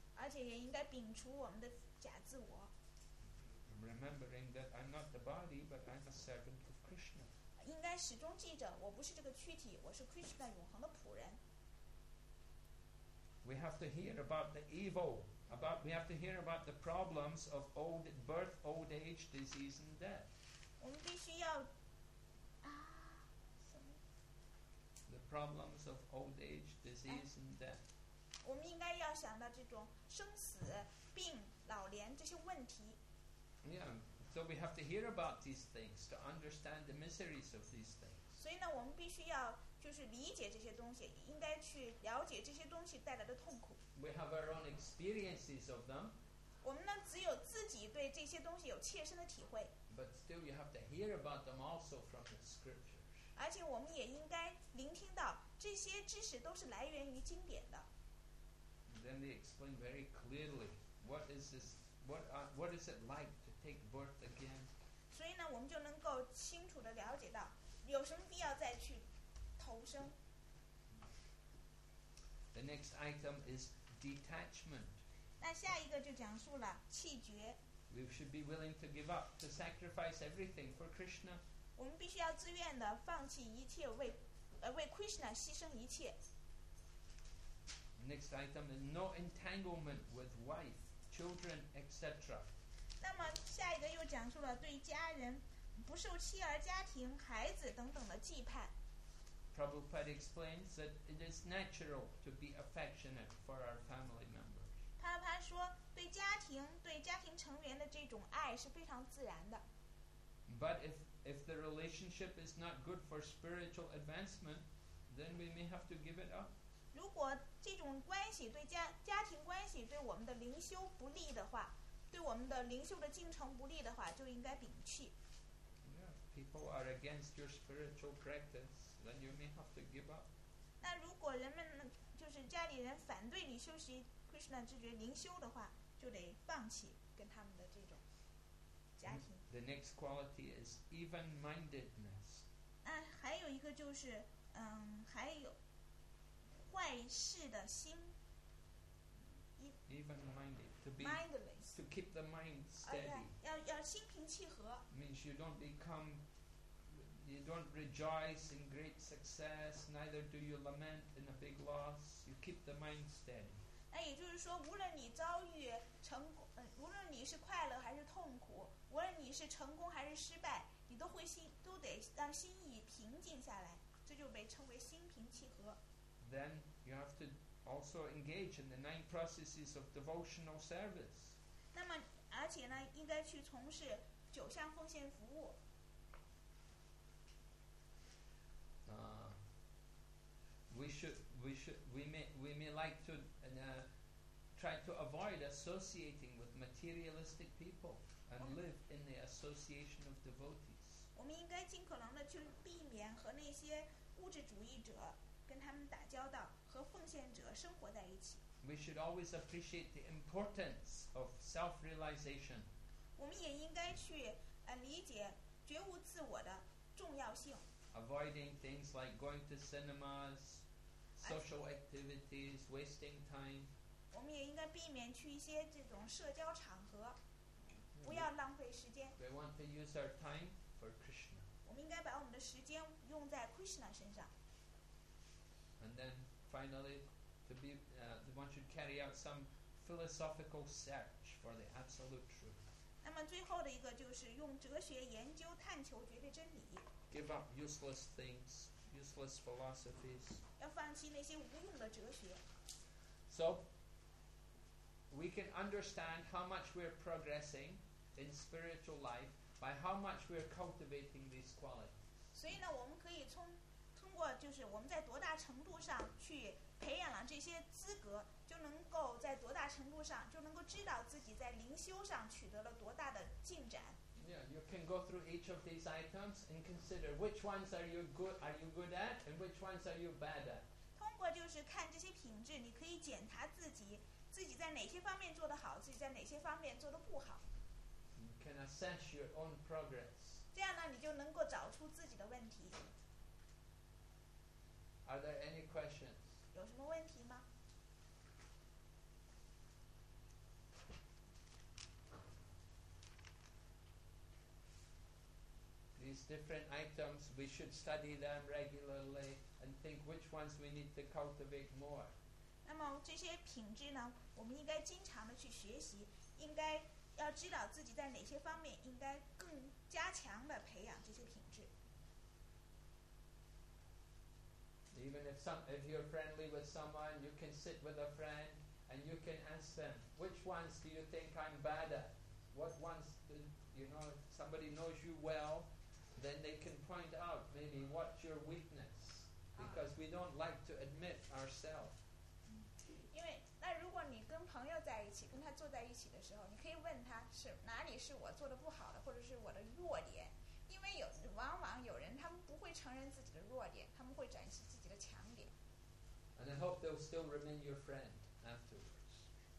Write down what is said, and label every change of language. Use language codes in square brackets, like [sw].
[zh] 而且也应该摒除我们的假自我。 [en] Remembering that I'm not the body, but I'm a servant of Krishna. [zh] 应该始终记着，我不是这个躯体，我是 Krishna 永恒的仆人。 [en] We have to hear about the evil, we have to hear about the problems of old birth, old age, disease, and death. [zh] 我们必须要 [en] The problems of old age, disease, and death. [zh] 我们应该要想到这种生死、病、老年这些问题。 [en] Yeah. So we have to hear about these things to understand the miseries of these things. [zh] 所以呢，我们必须要就是理解这些东西，应该去了解这些东西带来的痛苦。 [en] We have our own experiences of them. [zh] 我们呢，只有自己对这些东西有切身的体会。 [en] But still, you have to hear about them also from the scriptures. [zh] 而且我们也应该聆听到这些知识都是来源于经典的。 [en] Then they explain very clearly what is this, what is it like. Take birth again. [zh] 所以呢，我们就能够清楚地了解到，有什么必要再去投生。 [en] The next item is detachment. [zh] 那下一个就讲述了弃绝。 [en] We should be willing to give up, to sacrifice everything for Krishna. [zh] 我们必须要自愿的放弃一切，为 Krishna 牺牲一切。 [en] Next item is no entanglement with wife, children, etc. [zh] 那么下一个又讲述了对家人不受妻儿、家庭、孩子等等的忌盼。 [en] Prabhupada explains that it is natural to be affectionate for our family members. [zh] 帕帕说对家庭、对家庭成员的这种爱是非常自然的。 [en] But if the relationship is not good for spiritual advancement, then we may have to give it up. [zh] 如果这种关系对家庭关系对我们的灵修不利的话，对我们的灵修的进程不利的话，就应该摒弃。 [en] People are against your spiritual practice, then you may have to give up. [zh] 那如果人们就是家里人反对你修习 Krishna 之觉灵修的话，就得放弃跟他们的这种家庭。 [en] The next quality is even-mindedness. [zh] 那还有一个就是，还有坏事的心。 [en] Even-minded, to be mindless, to keep the mind steady. [zh] 要心平气和。 [en] Means you don't become, you don't rejoice in great success, neither do you lament in a big loss. You keep the mind steady. [zh] 那也就是说，无论你遭遇成功，无论你是快乐还是痛苦，无论你是成功还是失败，你都会心都得让心意平静下来，这就被称为心平气和。 [en] Then you have to. Also engage in the nine processes of devotional service. [zh] 那么，而且呢，应该去从事九项奉献服务。 [en] We may like to try to avoid associating with materialistic people and live in the association of devotees. [zh] 我们应该尽可能的去避免和那些物质主义者。跟他们打交道，和奉献者生活在一起。 [en] We should always appreciate the importance of self-realization. [zh] 我们也应该去理解觉悟自我的重要性。 [en] Avoiding things like going to cinemas, social activities, wasting time. [zh] 我们也应该避免去一些这种社交场合，不要浪费时间。 [en] We want to use our time for Krishna. [zh] 我们应该把我们的时间用在 Krishna 身上。 [en] And then finally, one should carry out some philosophical search for the absolute truth. [zh] 那么最后的一个就是用哲学研究探求绝对真理。 [en] Give up useless things, useless philosophies. [zh] 要放弃那些无用的哲学。 [en] So, we can understand how much we're progressing in spiritual life by how much we're cultivating these qualities. [zh] 所以呢，我们可以通过就是我们在多大程度上去培养了这些资格，就能够在多大程度上就能够知道自己在灵修上取得了多大的进展。 [en] Yeah, you can go through each of these items and consider which ones are you good at and which ones are you bad at. [zh] 通过就是看这些品质，你可以检查自己在哪些方面做得好，自己在哪些方面做得不好。 [en] You can assess your own progress. [zh] 这样呢，你就能够找出自己的问题。 [en] Are there any questions? [zh] 有什么问题吗？ [en] These different items, we should study them regularly and think which ones we need to cultivate more. [zh] 那么这些品质呢，我们应该经常的去学习，应该要知道自己在哪些方面应该更加强的培养这些品质。 [en] Even if you're friendly with someone, you can sit with a friend and you can ask them, which ones do you think I'm bad at? What ones, you know, if somebody knows you well, then they can point out maybe what's your weakness, because we don't like to admit ourselves. [zh] 因为那如果你跟朋友在一起，跟他坐在一起的时候，你可以问他是哪里是我做的不好的，或者是我的弱点。因为往往有人他们不会承认自己的弱点，他们会展示自己的强点。 [en] And I hope they'll still remain your friend afterwards.